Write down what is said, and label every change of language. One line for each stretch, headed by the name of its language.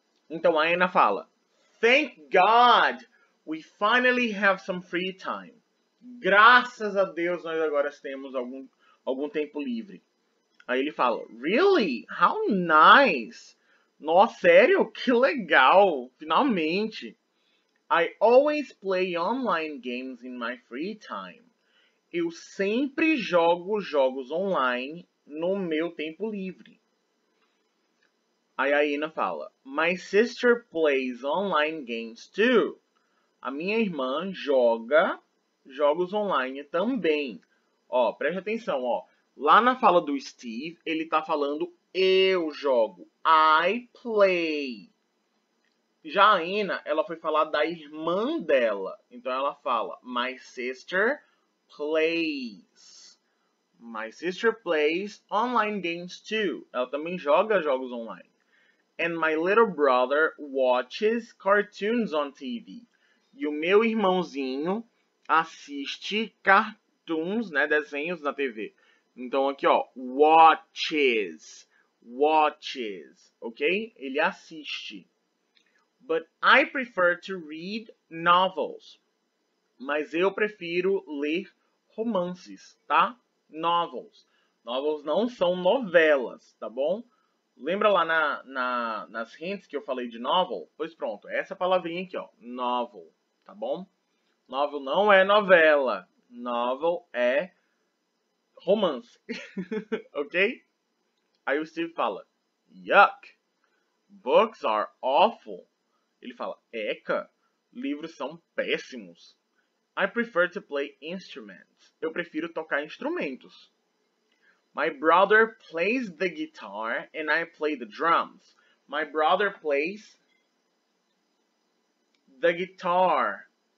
Portuguese: Então, a Anna fala,
English: Thank God we finally have some free time.
Portuguese: Graças a Deus, nós agora temos algum tempo livre. Aí ele fala,
English: Really? How nice!
Portuguese: Nossa, sério? Que legal! Finalmente!
English: I always play online games in my free time.
Portuguese: Eu sempre jogo jogos online no meu tempo livre. Aí a Ina fala,
English: My sister plays online games too.
Portuguese: A minha irmã joga jogos online também. Ó, preste atenção, ó. Lá na fala do Steve, ele tá falando eu jogo.
English: I play.
Portuguese: Já a Ina, ela foi falar da irmã dela. Então, ela fala,
English: My sister plays. My sister plays online games too.
Portuguese: Ela também joga jogos online.
English: And my little brother watches cartoons on TV.
Portuguese: E o meu irmãozinho assiste cartoons, né, desenhos na TV. Então, aqui, ó, watches. Watches, ok? Ele assiste.
English: But I prefer to read novels.
Portuguese: Mas eu prefiro ler romances, tá? Novels. Novels não são novelas, tá bom? Lembra lá nas hints que eu falei de novel? Pois pronto, essa palavrinha aqui, ó. Novel, tá bom? Novel não é novela. Novel é romance, ok? Aí o Steve fala,
English: yuck, books are awful.
Portuguese: Ele fala, eca, livros são péssimos.
English: I prefer to play instruments.
Portuguese: Eu prefiro tocar instrumentos.
English: My brother plays the guitar and I play the drums. My brother plays the guitar.